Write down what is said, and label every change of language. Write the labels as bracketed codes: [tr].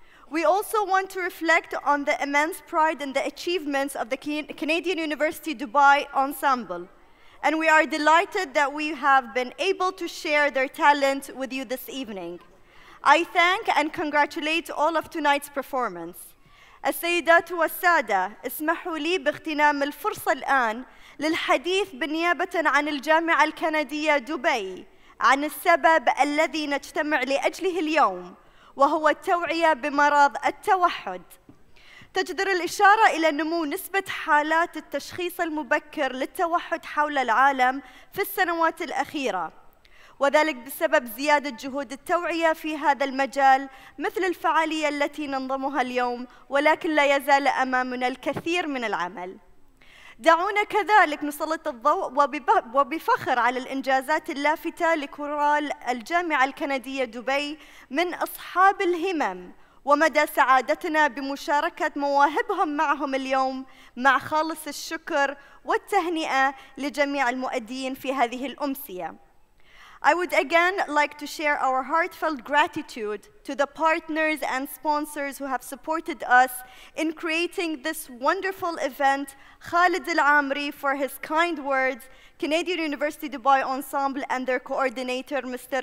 [en] We also want to reflect on the immense pride and the achievements of the Canadian University Dubai Ensemble. And we are delighted that we have been able to share their talent with you this evening. I thank and congratulate all of tonight's performance. [ar] السيدات والسادة اسمحوا لي باغتنام الفرصة الآن للحديث بالنيابة عن الجامعة الكندية دبي عن السبب الذي نجتمع لأجله اليوم وهو التوعية بمرض التوحد. تجدر الإشارة إلى نمو نسبة حالات التشخيص المبكر للتوحد حول العالم في السنوات الأخيرة وذلك بسبب زيادة جهود التوعية في هذا المجال مثل الفعالية التي ننظمها اليوم ولكن لا يزال أمامنا الكثير من العمل. دعونا كذلك نسلط الضوء وبفخر على الإنجازات اللافتة لكورال الجامعة الكندية دبي من أصحاب الهمم ومدى سعادتنا بمشاركة مواهبهم معهم اليوم مع خالص الشكر والتهنئة لجميع المؤدين في هذه الأمسية. [en] I would again like to share our heartfelt gratitude to the partners and sponsors who have supported us in creating this wonderful event, Khalid Al-Amri for his kind words, Canadian University Dubai Ensemble and their coordinator, Mr.